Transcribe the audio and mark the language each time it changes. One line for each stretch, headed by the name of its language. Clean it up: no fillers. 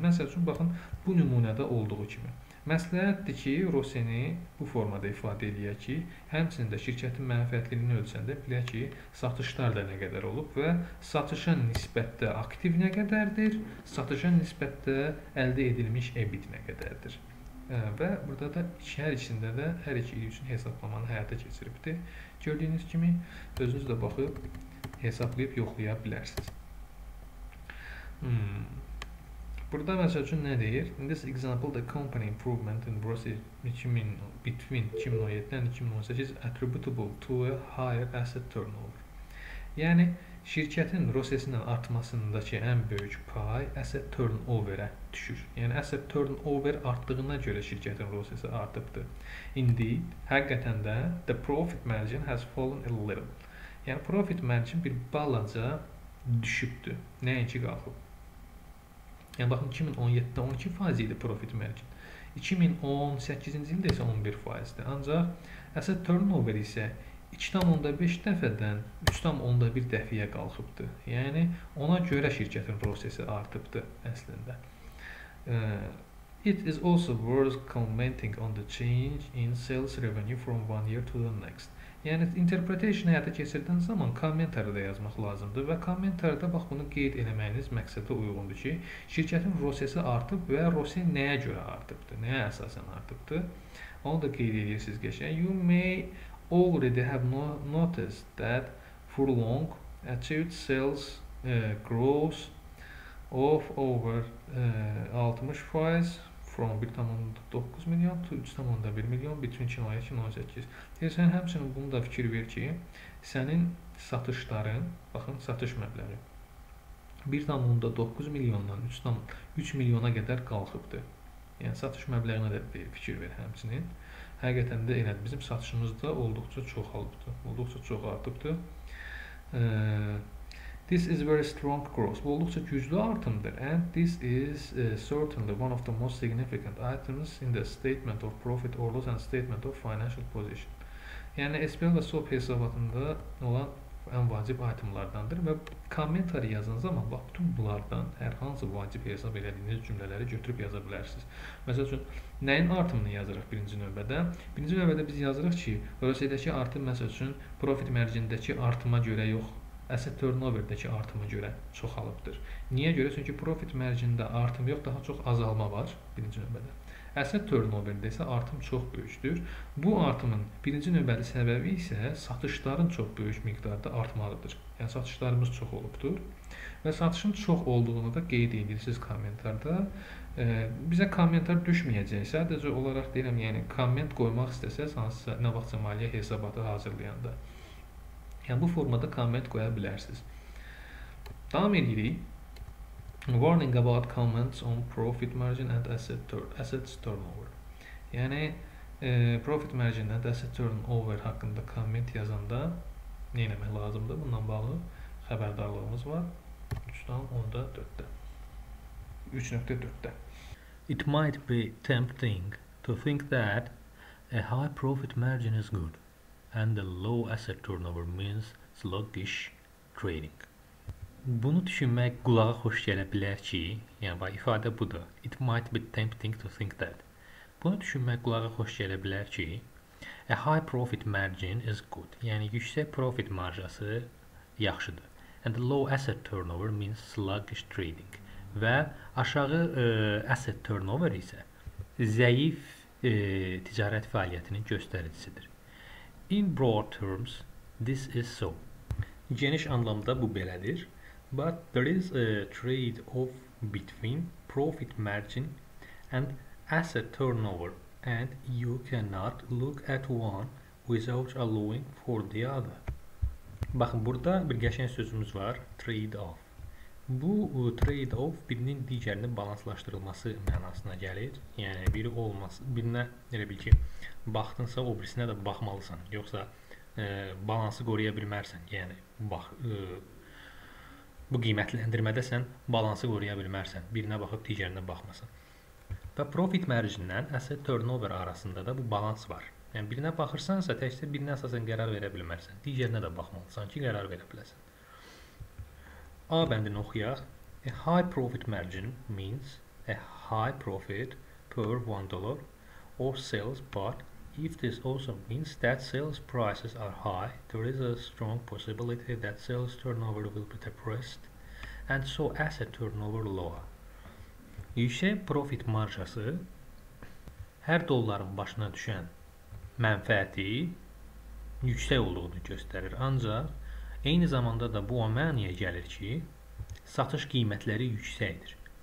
Azerbaijani: Məsəl üçün, baxın, bu nümunədə olduğu kimi. Məsləhətdir ki, ROSEN-i bu formada ifadə edək ki, həmçinin də şirkətin mənfəətliliyini ölçəndə bilək ki, satışlar da nə qədər olub və satışa nisbətdə aktiv nə qədərdir, satışa nisbətdə əldə edilmiş EBIT nə qədərdir. Və burada da hər ikisində də hər iki il üçün hesablamanı həyata keçiribdir. Gördüyünüz kimi, özünüz də baxıb, hesablayıb yoxlaya bilərsiniz. Burada məsəl üçün nə deyir?
English: In this example, the company improvement in ROSE between 2017 and 2018 is attributable to a higher asset turnover.
Azerbaijani: Yəni, şirkətin ROSE-sindən artmasındakı ən böyük pay asset turnover-ə düşür. Yəni, asset turnover artdığına görə şirkətin ROSE-si artıbdır.
English: Indeed,
Azerbaijani: həqiqətən də,
English: the profit margin has fallen a little.
Azerbaijani: Yəni, profit margin bir balaca düşübdür. Nəinki qalxıb? Yəni, baxın, 2017-də 12% idi profit margin. 2018-ci ildə isə 11%-dir. Ancaq, asset turnover isə 2,5 dəfədən 3,1 dəfəyə qalxıbdır. Yəni, ona görə şirkətin prosesi artıbdır əslində.
English: It is also worth commenting on the change in sales revenue from one year to the next.
Azerbaijani: Yəni, interpretation həyata keçirdən zaman kommentarda yazmaq lazımdır və kommentarda bax bunu qeyd eləməyiniz məqsədə uyğundur ki, şirkətin ROSE-si artıb və ROSE nəyə görə artıbdır, nəyə əsasən artıbdır. Onu da qeyd edirsiniz geçən.
English: You may already have noticed that for long achieved sales growth of over 60% from 1,9 milyon to 3,1 milyon between 2017-2018.
Azerbaijani: Deyirsən, həmçinin bunu da fikir ver ki, sənin satışların, baxın, satış məbləri 1,9 milyondan 3 milyona qədər qalxıbdır. Yəni, satış məbləğinə də fikir ver həmçinin. Həqiqətən də elədir, bizim satışımız da olduqca çoxalıbdır, olduqca çox artıbdır.
English: This is very strong growth.
Azerbaijani: Bu olduqca güclü artımdır.
English: And this is certainly one of the most significant items in the statement of profit or loss and statement of financial position.
Azerbaijani: Yəni, SPL və SOP hesabatında olan ən vacib itemlardandır və kommentarı yazan zaman bax, bütün bunlardan hər hansı vacib hesab elədiyiniz cümlələri götürüb yaza bilərsiniz. Məsəl üçün, nəyin artımını yazırıq birinci növbədə? Birinci növbədə biz yazırıq ki, ROSE-dəki artım məsəl üçün profit margin-dəki artıma görə yox, asset turnover-dəki artıma görə çoxalıbdır. Niyə görə? Çünki profit margin-də artım yox, daha çox azalma var birinci növbədə. Asset turnover-də isə artım çox böyükdür. Bu artımın birinci növbəli səbəbi isə satışların çox böyük miqdarda artmalıdır. Yəni, satışlarımız çox olubdur və satışın çox olduğunu da qeyd edirsiniz kommentarda. Bizə kommentar düşməyəcək, sadəcə olaraq deyirəm, yəni komment qoymaq istəsəz, hansısa nə vaxtsa maliyyə hesabatı hazırlayanda. Yəni, bu formada komment qoya bilərsiniz. Davam edirik.
English: Warning about comments on profit margin and assets turnover.
Azerbaijani: Yəni,
English: profit margin and asset turnover
Azerbaijani: haqqında comment yazanda nə eləmək lazımdır? Bundan bağlı xəbərdarlığımız var. 3.4-də. 3.4-də.
English: It might be tempting to think that a high profit margin is good and a low asset turnover means sluggish trading.
Azerbaijani: Bunu düşünmək qulağa xoş gələ bilər ki, yəni bu ifadə budur.
English: It might be tempting to think that.
Azerbaijani: Bunu düşünmək qulağa xoş gələ bilər ki,
English: high profit margin is good.
Azerbaijani: Yəni yüksək profit marjası yaxşıdır.
English: And the low asset turnover means sluggish trading.
Azerbaijani: Və aşağı asset turnover isə zəif ticarət fəaliyyətinin göstəricisidir.
English: In broad terms, this is so.
Azerbaijani: Geniş anlamda bu belədir.
English: But there is a trade-off between profit margin and asset turnover, and you cannot look at one without allowing for the other.
Azerbaijani: Baxın, burada bir qəşəng sözümüz var, trade-off. Bu trade-off birinin digərinin balanslaşdırılması mənasına gəlir. Yəni biri olmaz, birinə elə bil ki, baxdınsa o birisinə də baxmalısan, yoxsa balansı qoruya bilmərsən. Yəni bax, bu qiymətləndirmədə sən balansı qoruya bilmərsən, birinə baxıb digərinə baxmasan. Və profit margin-dən asset turnover arasında da bu balans var. Yəni birinə baxırsansa, təkcə birinə əsasən qərar verə bilmərsən, digərinə də baxmalısan ki, qərar verə biləsən. A bəndini oxuyaq.
English: A high profit margin means a high profit per $1 or sales, but if this also means that sales prices are high, there is a strong possibility that sales turnover will be depressed and so asset turnover lower.
Azerbaijani: Yüksək profit marjası hər dolların başına düşən mənfəəti yüksək olduğunu göstərir. Ancaq eyni zamanda da bu o mənaya gəlir ki, satış qiymətləri yüksəkdir.